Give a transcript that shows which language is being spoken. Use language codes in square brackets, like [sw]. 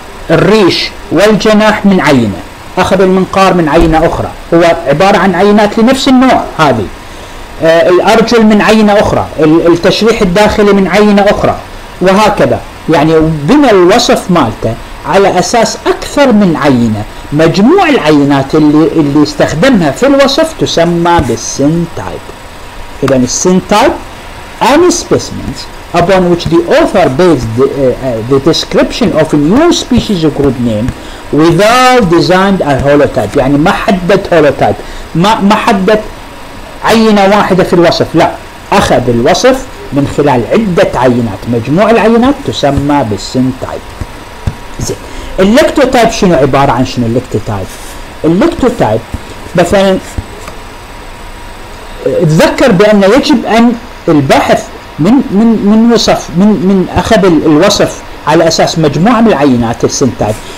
[ar] الريش والجناح من عينة، أخذ المنقار من عينة أخرى، هو عبارة عن عينات لنفس النوع هذه، الأرجل من عينة أخرى، التشريح الداخلي من عينة أخرى، وهكذا، يعني بنى الوصف مالته على أساس أكثر من عينة، مجموع العينات اللي استخدمها في الوصف تسمى بالسينتايب. إذن السينتايب [en] and specimens upon which the author based the description of a new species or group name without designed a holotype. [ar] يعني ما حدد holotype, ما حدد عينة واحدة في الوصف, لا, أخذ الوصف من خلال عدة عينات, مجموع العينات تسمى بالسنتايب. زين, اللكتوتايب شنو عبارة عن شنو اللكتوتايب؟ اللكتوتايب مثلا تذكر بأن يجب أن البحث من وصف من أخذ الوصف على أساس مجموعة من العينات السنتايب,